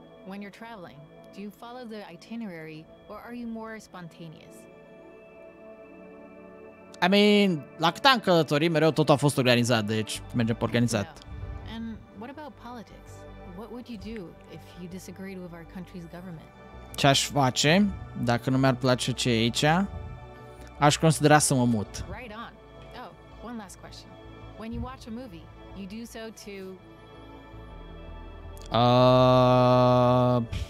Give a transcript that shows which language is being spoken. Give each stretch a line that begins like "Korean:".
English: When you're traveling, do you follow the itinerary or are you more spontaneous? I mean,
Romanian: la cât am călătorit, mereu tot a fost organizat, deci mergem pe organizat.
English: And what about politics? What would you do if you disagreed with our country's government?
Romanian: Ce aș face dacă nu mi-ar place ce e aici? Aș considera să mă mut.
English: Right on. Oh, one last question. When you watch a movie, you do so to...